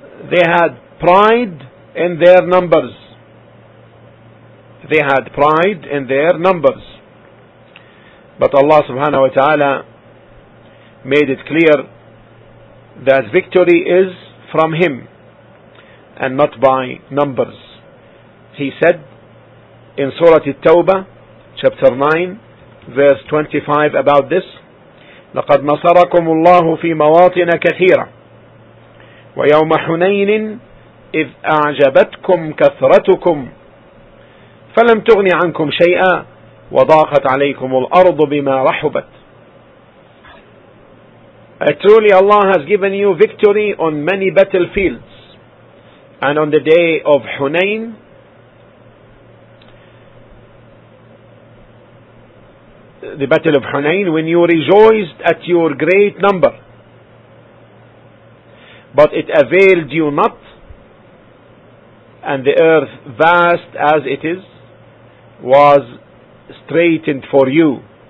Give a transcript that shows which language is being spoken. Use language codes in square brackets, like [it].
[en] They had pride in their numbers. They had pride in their numbers. But Allah subhanahu wa ta'ala made it clear that victory is from Him and not by numbers. He said in Surah At-Tawbah, chapter 9, verse 25 about this, [ar] لَقَدْ نَصَرَكُمُ اللَّهُ فِي مَوَاطِنَ كَثِيرًا وَيَوْمَ حُنَيْنٍ إِذْ أَعْجَبَتْكُمْ كَثْرَتُكُمْ فَلَمْ تُغْنِ عَنْكُمْ شَيْئًا وَضَاقَتْ عَلَيْكُمُ الْأَرْضُ بِمَا رَحُبَتْ. [en] Truly Allah has given you victory on many battlefields, and on the day of Hunayn, the battle of Hunayn, when you rejoiced at your great number, but it availed you not, and the earth, vast as it is, was straightened for you.